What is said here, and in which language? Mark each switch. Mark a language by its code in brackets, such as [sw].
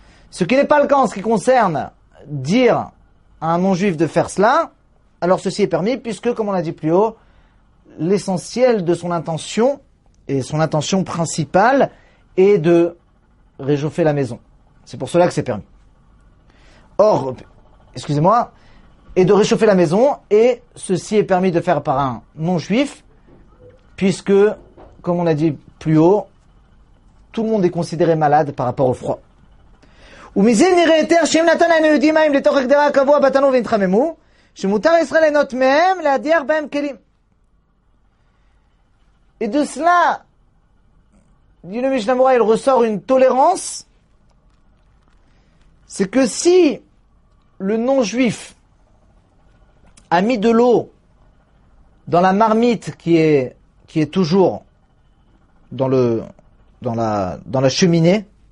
[fr] Ce qui n'est pas le cas en ce qui concerne dire à un non-juif de faire cela, alors ceci est permis, puisque, comme on l'a dit plus haut, l'essentiel de son intention, et son intention principale, est de réchauffer la maison. C'est pour cela que c'est permis. Or, excusez-moi, et de réchauffer la maison, et ceci est permis de faire par un non-juif, puisque, comme on l'a dit plus haut, tout le monde est considéré malade par rapport au froid. [he] ומזה נראה יותר שאם נתן להם יהודי מים לתוך הגדרה הקבוע בתנור והתחממו, שמותר ישראל ליהנות מהם להדיח בהם כלים. [fr] Et de cela, dit le Mishnah Berurah, il ressort une tolérance, c'est que si le non-juif a mis de l'eau dans la marmite qui est toujours dans la cheminée.